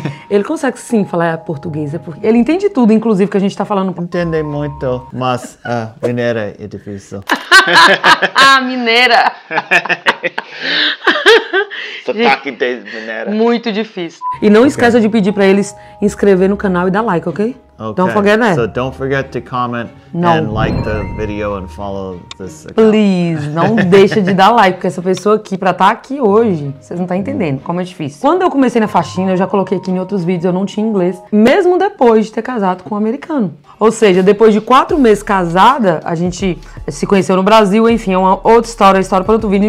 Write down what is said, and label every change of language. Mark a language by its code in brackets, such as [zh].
[pt] Ele consegue sim falar português, porque ele entende tudo, inclusive, que a gente tá falando. Entende muito, mas a mineira é difícil. Ah, mineira! Sotaque de mineira. Muito difícil. E não esqueça de pedir para eles inscrever no canal e dar like, ok? [en] Okay. Don't forget that. So don't forget to comment and like the video and follow this account. [pt] Please, não deixa de dar like, porque essa pessoa aqui, pra estar aqui hoje, vocês não estão entendendo como é difícil. Quando eu comecei na faxina, eu já coloquei aqui em outros vídeos, eu não tinha inglês, mesmo depois de ter casado com um americano. Ou seja, depois de 4 meses casada, a gente se conheceu no Brasil, enfim, é uma outra história, para outro vídeo.